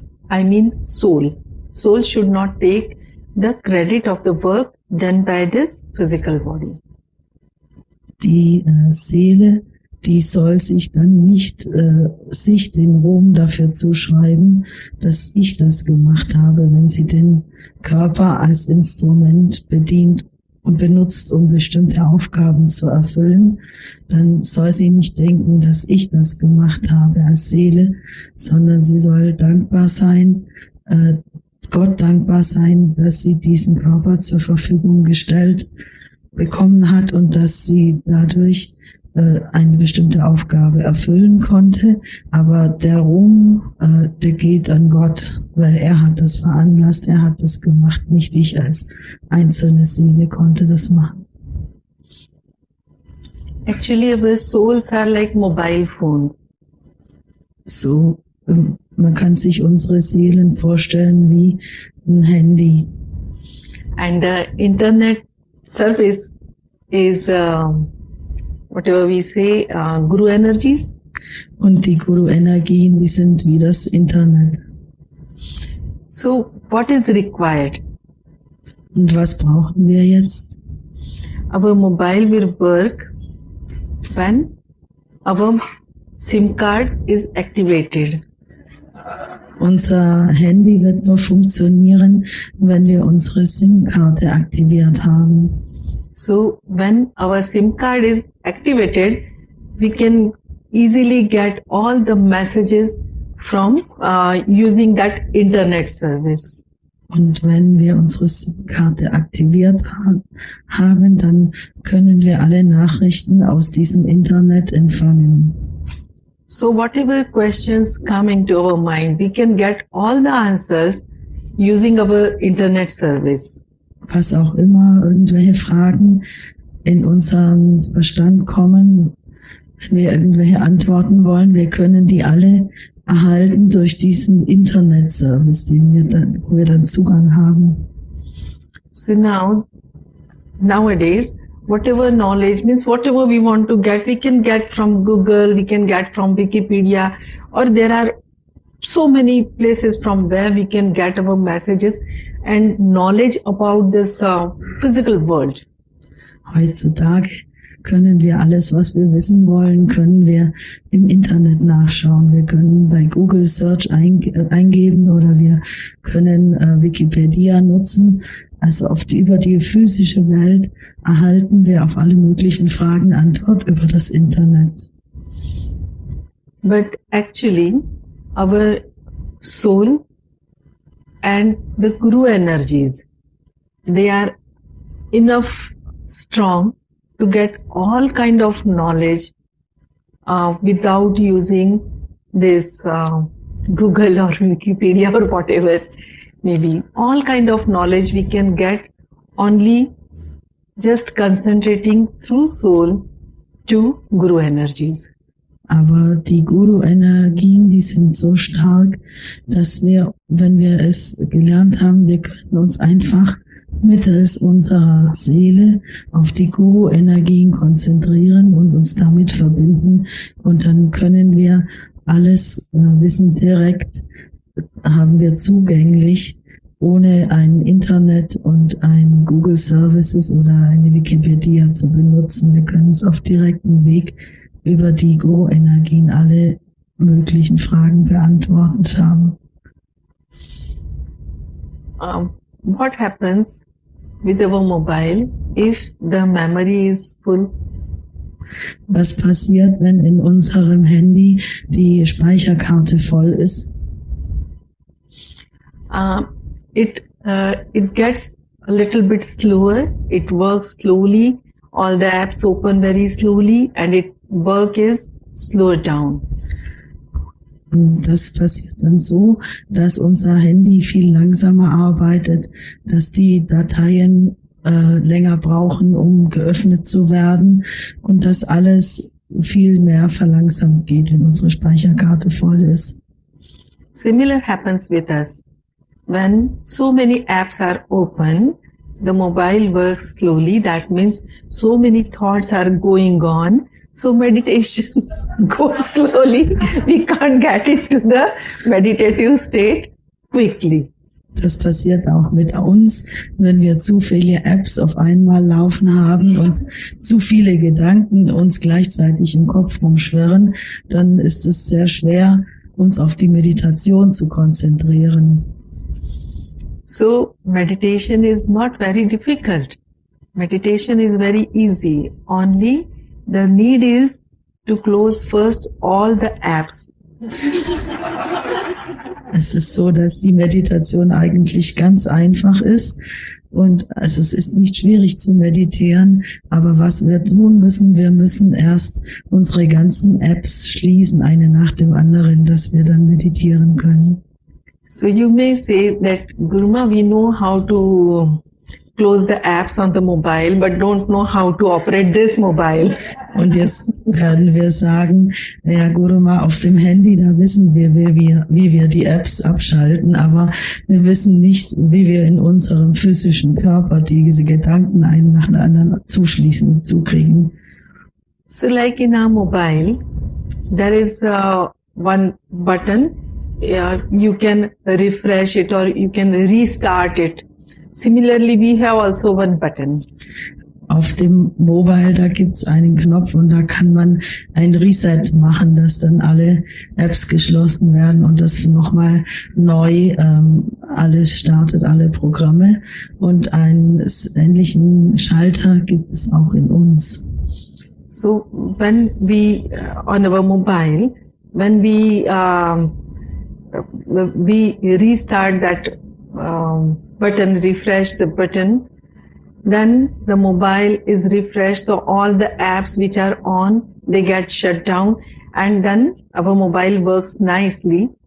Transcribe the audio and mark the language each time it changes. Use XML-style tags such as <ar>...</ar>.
<en>I mean soul. Soul should not take the credit of the work done by this physical body.</en> <de>Die Seele, die soll sich dann nicht sich den Ruhm dafür zuschreiben, dass ich das gemacht habe, wenn sie den Körper als Instrument bedient und benutzt, um bestimmte Aufgaben zu erfüllen, dann soll sie nicht denken, dass ich das gemacht habe als Seele, sondern sie soll dankbar sein, Gott dankbar sein, dass sie diesen Körper zur Verfügung gestellt bekommen hat und dass sie dadurch eine bestimmte Aufgabe erfüllen konnte. Aber der Ruhm, der geht an Gott, weil er hat das veranlasst, er hat das gemacht, nicht ich als einzelne Seele konnte das machen.</de> <en>Actually, our souls are like mobile phones.</en> <de>So, man kann sich unsere Seelen vorstellen wie ein Handy.</de> <en>And the Internet Service is whatever we say guru energies.</en> <de>Und die guru energien, die sind wie das Internet.</de> <en>So what is required?</en> <de>Und was brauchen wir jetzt?</de> <en>Our mobile will work when our SIM card is activated.</en> <de>Unser Handy wird nur funktionieren, wenn wir unsere SIM-Karte aktiviert haben.</de> <en>So, when our SIM card is activated, we can easily get all the messages from using that internet service.</en> <de>Und wenn wir unsere SIM-Karte aktiviert haben, dann können wir alle Nachrichten aus diesem Internet empfangen.</de> <en>So whatever questions come into our mind, we can get all the answers using our internet service.</en> <de>Was auch immer irgendwelche Fragen in unseren Verstand kommen, wenn wir irgendwelche Antworten wollen, wir können die alle erhalten durch diesen Internet-Service, den wir dann, wo wir dann Zugang haben.</de> <en>So now, nowadays, whatever knowledge means, whatever we want to get, we can get from Google, we can get from Wikipedia, or there are so many places from where we can get our messages and knowledge about this physical world.</en> <de>Heutzutage können wir alles, was wir wissen wollen, können wir im Internet nachschauen. Wir können bei Google Search eingeben oder wir können Wikipedia nutzen. Also oft über die physische Welt erhalten wir auf alle möglichen Fragen Antwort über das Internet.</de> <en>But actually, our soul and the Guru energies, they are enough strong to get all kind of knowledge without using this Google or Wikipedia or whatever, maybe all kind of knowledge we can get only just concentrating through soul to Guru energies.</en> <de>Aber die Guru-Energien, die sind so stark, dass wir, wenn wir es gelernt haben, wir können uns einfach mittels unserer Seele auf die Guru-Energien konzentrieren und uns damit verbinden. Und dann können wir alles wissen direkt, haben wir zugänglich, ohne ein Internet und ein Google Services oder eine Wikipedia zu benutzen. Wir können es auf direktem Weg über die Guru-Energien alle möglichen Fragen beantwortet haben.</de> <en>What happens with our mobile if the memory is full?</en> <de>Was passiert, wenn in unserem Handy die Speicherkarte voll ist?</de> <en>It gets a little bit slower. It works slowly. All the apps open very slowly and it work is slowed down.</en> <de>Das passiert dann so, dass unser Handy viel langsamer arbeitet, dass die Dateien länger brauchen, um geöffnet zu werden und dass alles viel mehr verlangsamt geht, wenn unsere Speicherkarte voll ist.</de> <en>Similar happens with us. When so many apps are open, the mobile works slowly. That means so many thoughts are going on. So meditation goes slowly. We can't get into the meditative state quickly.</en> <de>Das passiert auch mit uns, wenn wir zu viele Apps auf einmal laufen haben und zu viele Gedanken uns gleichzeitig im Kopf rumschwirren, dann ist es sehr schwer, uns auf die Meditation zu konzentrieren.</de> <en>So meditation is not very difficult. Meditation is very easy. Only the need is to close first all the apps.</en> <de>Es ist so, dass die Meditation eigentlich ganz einfach ist und also es ist nicht schwierig zu meditieren, aber was wir tun müssen, wir müssen erst unsere ganzen Apps schließen, eine nach dem anderen, dass wir dann meditieren können.</de> <en>So you may say that, Guruma, we know how to close the apps on the mobile, but don't know how to operate this mobile.</en> <de>Und jetzt werden wir sagen, ja, Guruma, auf dem Handy, da wissen wir, wie wir die Apps abschalten, aber wir wissen nicht, wie wir in unserem physischen Körper diese Gedanken einen nach dem anderen zuschließen, zukriegen.</de> <en>So like in our mobile, there is one button. Yeah, you can refresh it or you can restart it. Similarly, we have also one button.</en> <de>Auf dem Mobile, da gibt's einen Knopf und da kann man ein Reset machen, dass dann alle Apps geschlossen werden und das nochmal neu alles startet, alle Programme. Und einen ähnlichen Schalter gibt es auch in uns.</de> <en>So, when we, on our mobile, when we restart that button, refresh the button. Then the mobile is refreshed, so all the apps which are on, they get shut down, and then our mobile works nicely.</en>